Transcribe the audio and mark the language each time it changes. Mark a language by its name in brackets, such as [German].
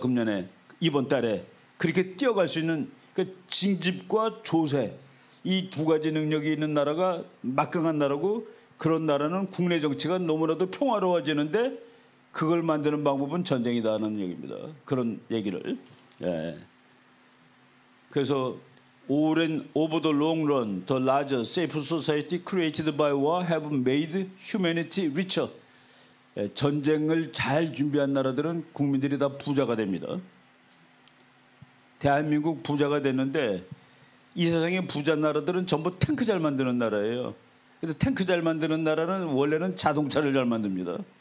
[Korean] 금년에 이번 달에 그렇게 뛰어갈 수 있는 그 징집과 조세 이 두 가지 능력이 있는 나라가 막강한 나라고 그런 나라는 국내 정치가 너무나도 평화로워지는데 그걸 만드는 방법은 전쟁이다 하는 얘기입니다. 그런 얘기를. 예. 그래서 [English] over the long run, the larger, safer society created by war have made humanity richer. [Korean] 예. 전쟁을 잘 준비한 나라들은 국민들이 다 부자가 됩니다. 대한민국 부자가 됐는데 이 세상의 부자 나라들은 전부 탱크 잘 만드는 나라예요. 그래서 탱크 잘 만드는 나라는 원래는 자동차를 잘 만듭니다.